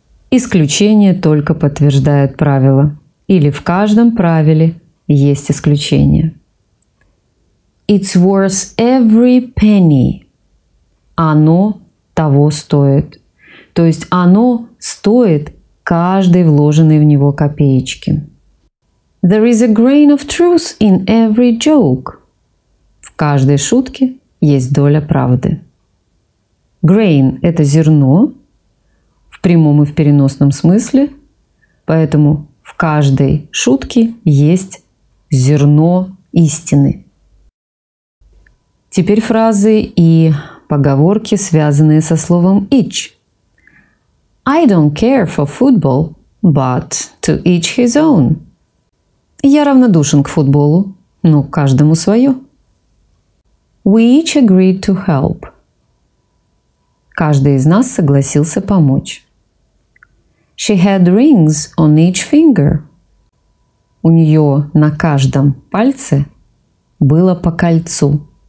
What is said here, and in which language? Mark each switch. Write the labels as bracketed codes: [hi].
[ru] Исключение только подтверждает правило. Или в каждом правиле есть исключение. [en] It's worth every penny. [ru] Оно того стоит. То есть оно стоит каждой вложенной в него копеечки. [en] There is a grain of truth in every joke. [ru] В каждой шутке есть доля правды. Grain – это зерно в прямом и в переносном смысле, поэтому в каждой шутке есть зерно истины. Теперь фразы и поговорки, связанные со словом each. [en] I don't care for football, but to each his own. [ru] Я равнодушен к футболу, но каждому свое. [en] We each agreed to help. [ru] Каждый из нас согласился помочь. [en] She had rings on each finger. [ru] у нее на каждом пальце было по кольцу.